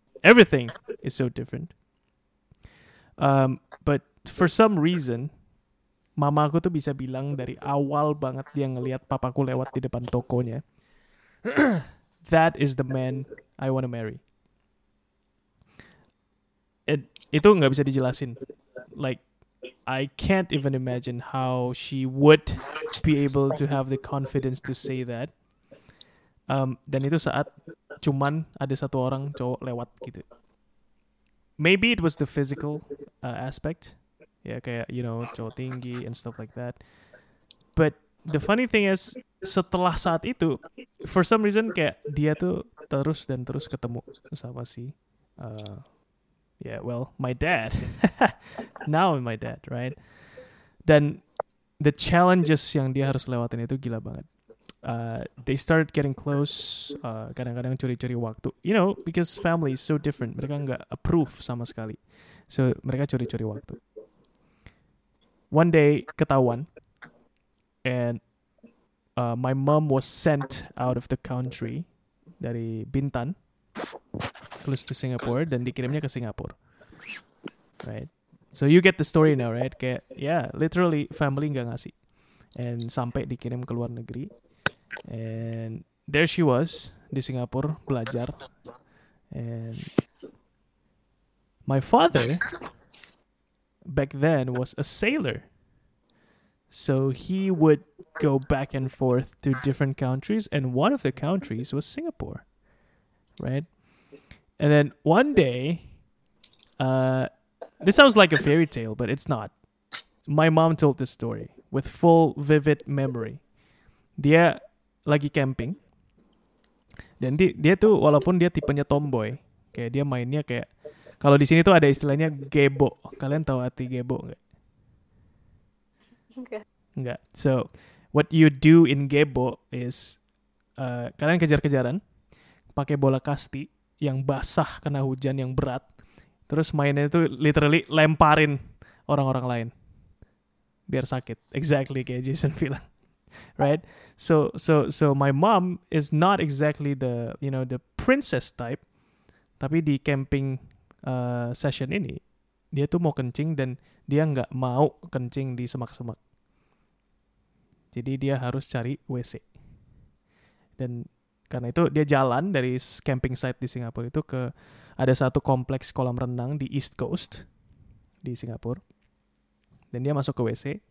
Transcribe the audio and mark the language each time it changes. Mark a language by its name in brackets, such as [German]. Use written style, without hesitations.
[English] Everything is so different. But for some reason, [Indonesian] mamaku tuh bisa bilang dari awal banget dia ngelihat papaku lewat di depan tokonya, [English] that is the man I want to marry. [Indonesian] Itu gak bisa dijelasin. [English] Like, I can't even imagine how she would be able to have the confidence to say that. [Indonesian] Dan itu saat cuman ada satu orang cowok lewat gitu. [English] Maybe it was the physical aspect. Yeah, kayak, you know, [Indonesian] cowok tinggi [English] and stuff like that. But the funny thing is, [Indonesian] setelah saat itu, [English] for some reason, [Indonesian] kayak dia tuh terus dan terus ketemu sama si... [English] Yeah, well, my dad. Now my dad, right? [Indonesian] Dan [English] the challenges [Indonesian] yang dia harus lewatin itu gila banget. [English] They started getting close, [Indonesian] kadang-kadang curi-curi waktu. [English] You know, because family is so different. [Indonesian] Mereka nggak approve sama sekali. So, mereka curi-curi waktu. [English] One day, [Indonesian] ketahuan. [English] And my mom was sent out of the country dari Bintan close to Singapore [Indonesian] dan dikirimnya ke Singapura. [English] Right? So you get the story now, right? Kayak, yeah, literally family [Indonesian] gak ngasih. And sampai dikirim ke luar negeri. [English] And there she was [Indonesian] di Singapura belajar. [English] And my father back then was a sailor. So he would go back and forth to different countries, and one of the countries was Singapore, right? And then one day, this sounds like a fairy tale, but it's not. My mom told this story with full vivid memory. [Indonesian] Dia lagi camping, dan dia tuh walaupun dia tipenya tomboy, kayak dia mainnya kayak, kalau di sini tuh ada istilahnya gebo. Kalian tahu arti gebo nggak? Enggak. [English] So, what you do in gebo is [Indonesian] kalian kejar-kejaran pakai bola kasti yang basah kena hujan yang berat. Terus mainnya itu literally lemparin orang-orang lain biar sakit. Exactly kayak Jason bilang. Right? [English] So my mom is not exactly the, you know, the princess type. [Indonesian] Tapi di camping session ini dia tuh mau kencing dan dia enggak mau kencing di semak-semak. Jadi dia harus cari WC. Dan karena itu dia jalan dari camping site di Singapura itu ke ada satu kompleks kolam renang di East Coast di Singapura. Dan dia masuk ke WC.